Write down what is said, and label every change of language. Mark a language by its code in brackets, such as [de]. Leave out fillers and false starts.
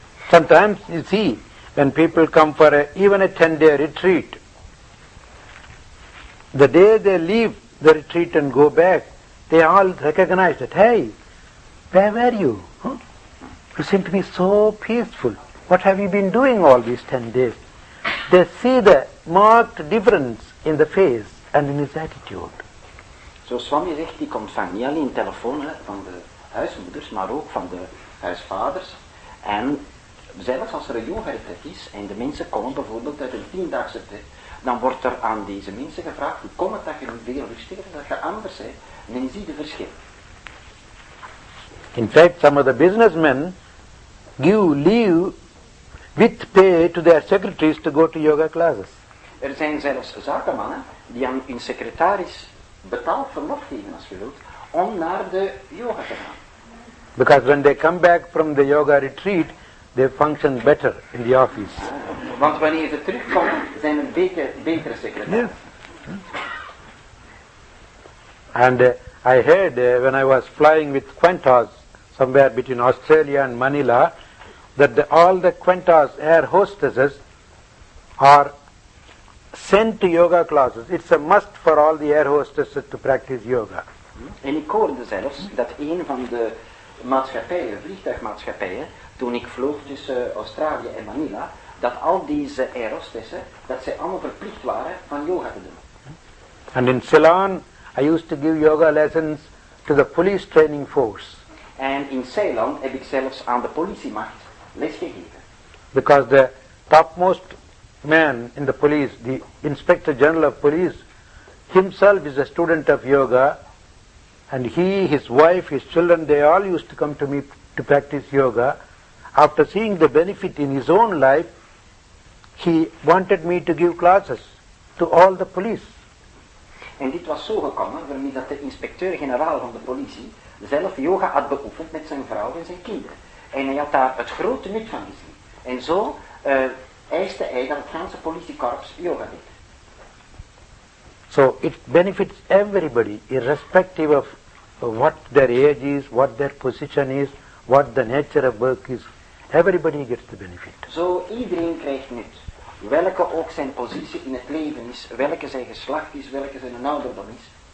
[en] Sometimes you see, when people come for even a 10-day retreat, the day they leave the retreat and go back, they all recognize that, hey, where were you? Huh? You seem to be so peaceful. What have you been doing all these 10 days? They see the marked difference in the face and in his attitude. [nl] Zo Swami zegt, ik ontvang niet alleen telefoons van de huismoeders, maar ook van de huisvaders. En zelfs als er een yoga-retreat is en de mensen komen bijvoorbeeld uit een 10-daagse tijd, dan wordt er aan deze mensen gevraagd, hoe komt het dat je nu veel rustiger, dat je anders bent? En je ziet de verschil. [en] In fact, some of the businessmen give leave with pay to their secretaries to go to yoga classes. [nl] Er zijn zelfs zakenmannen die aan hun secretaris betaald verlof geven, als je wilt, om naar de yoga te gaan. [en] Because when they come back from the yoga retreat, they function better in the office. [nl] Want wanneer ze terugkomen, zijn een betere secretaris. [en] Yes. And I heard when I was flying with Qantas somewhere between Australia and Manila, that all the Qantas air hostesses are sent to yoga classes. It's a must for all the air hostesses to practice yoga. [nl] En ik hoorde zelfs dat een van de maatschappijen, vliegtuigmaatschappijen, toen ik vloog tussen Australië en Manila, dat al deze air hostesses, dat ze allemaal verplicht waren van yoga te doen. [en] And in Ceylon, I used to give yoga lessons to the police training force. And in Ceylon, [nl] heb ik zelfs aan de politiemacht lesgegeven. [en] Because the topmost man in the police, the Inspector General of Police, himself is a student of yoga, and he, his wife, his children, they all used to come to me to practice yoga. After seeing the benefit in his own life, he wanted me to give classes to all the police. [nl] En dit was zo gekomen, waarmee dat de inspecteur-generaal van de politie zelf yoga had beoefend met zijn vrouw en zijn kinderen. En hij had daar het grote nut van gezien. En zo eiste hij dat het ganse politiekorps yoga deed. [en] So it benefits everybody, irrespective of what their age is, what their position is, what the nature of work is. Everybody gets the benefit. [nl] Zo iedereen krijgt nut. Welke ook zijn positie in het leven is, welke zijn geslacht is, welke zijn een ouderdom is.